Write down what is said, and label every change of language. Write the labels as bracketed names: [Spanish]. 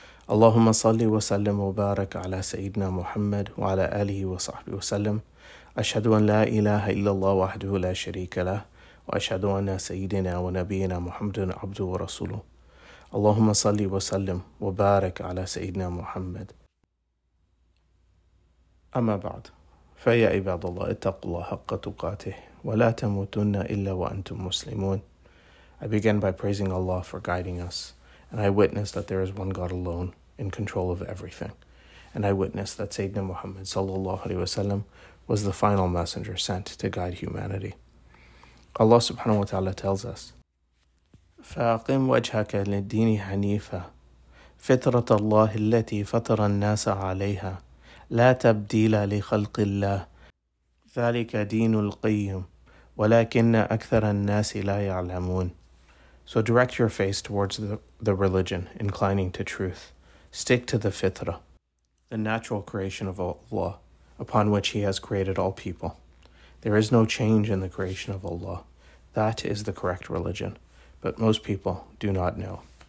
[Arabic] اللهم صل وسلم وبارك على سيدنا محمد وعلى آله وصحبه وسلم أشهد أن لا إله إلا الله وحده لا شريك له وأشهد أن سيدنا ونبينا محمد عبده ورسوله اللهم صل وسلم وبارك على سيدنا محمد أما بعد فيا عباد الله اتقوا الله حق تقاته ولا تموتن إلا وأنتم مسلمون. [English] I began by praising Allah for guiding us, and I witness that there is one God alone in control of everything, and I witness that Sayyidina Muhammad sallallahu alaihi wasallam was the final messenger sent to guide humanity. Allah subhanahu wa ta'ala tells us, [Arabic] فَأَقِمْ وَجْهَكَ لِلدِّينِ حَنِيفًا فِطْرَةَ اللَّهِ الَّتِي فَطَرَ النَّاسَ عَلَيْهَا لا تبديل لخلق الله ذلك دين القيم ولكن أكثر الناس لا يعلمون. [English] So direct your face towards the religion, inclining to truth. Stick to the fitra, the natural creation of Allah, upon which He has created all people. There is no change in the creation of Allah. That is the correct religion, but most people do not know.